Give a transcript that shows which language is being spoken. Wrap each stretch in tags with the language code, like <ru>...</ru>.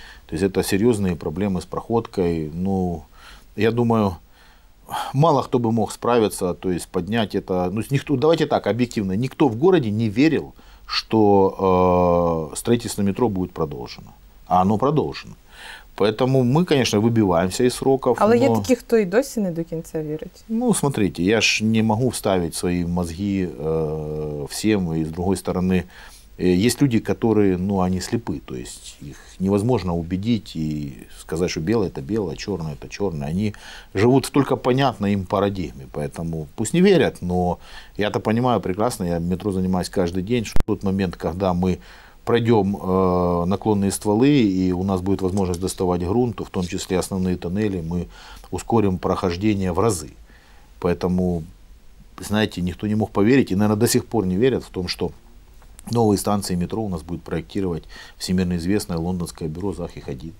<ru>То есть это серьезные проблемы с проходкой. Ну, я думаю, мало кто бы мог справиться, то есть поднять это. Ну, никто, давайте так, объективно. Никто в городе не верил, что строительство метро будет продолжено. А оно продолжено. Поэтому мы, конечно, выбиваемся из сроков.</ru> <uk>Але є такі, хто і досі не до кінця вірить.</uk> <ru>Ну, смотрите, я ж не могу вставить</ru> <uk>свої мозги всім. І з другої сторони, є люди, які, ну, вони сліпі. Тобто їх</uk> <ru>невозможно</ru> <uk>убедити і сказати, що біле – це біле, чорне – це чорне. Вони живуть в тільки понятній їм парадигмі.</uk> <ru>Поэтому пусть</ru> <uk>не вірять, але я-то розумію прекрасно, я метро займаюся кожен день, що в той момент, коли ми пройдем</uk> <ru>наклонные стволы, и у нас будет возможность доставать грунт, в том числе основные тоннели, мы ускорим прохождение в разы. Поэтому, знаете, никто не мог поверить, и, наверное, до сих пор не верят в том, что новые станции метро у нас будет проектировать всемирно известное лондонское бюро Захи Хадид.</ru>